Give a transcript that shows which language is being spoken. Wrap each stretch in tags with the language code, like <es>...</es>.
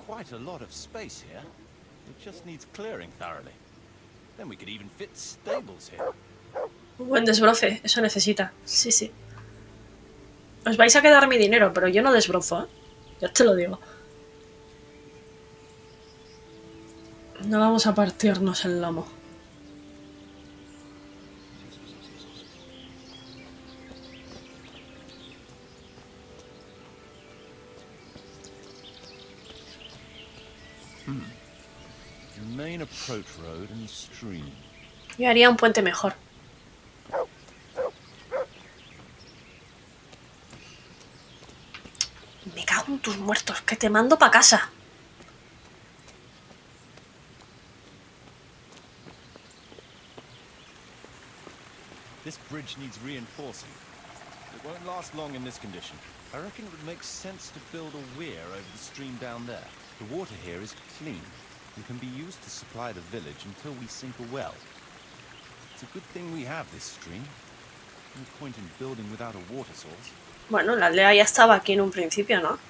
<en>A lot of space here. It just needs clearing thoroughly. Then we could even fit stables here.</en> <es>Buen desbroce, eso necesita. Sí, sí. Os vais a quedar mi dinero, pero yo no desbrozo, ¿eh? Ya te lo digo. No vamos a partirnos el lomo.</es> <en>main approach road and stream.</en> <es>Yo haría un puente mejor. Me cago en tus muertos, que te mando pa' casa.</es> <en>This bridge needs reinforcing. It won't last long in this condition. I reckon it would make sense to build a weir over the stream down there. The water here is clean and can be used to supply the village until we sink a well. It's a good thing we have this stream. No point in building without a water source.</en> <es>Bueno, la aldea ya estaba aquí en un principio, ¿no?</es>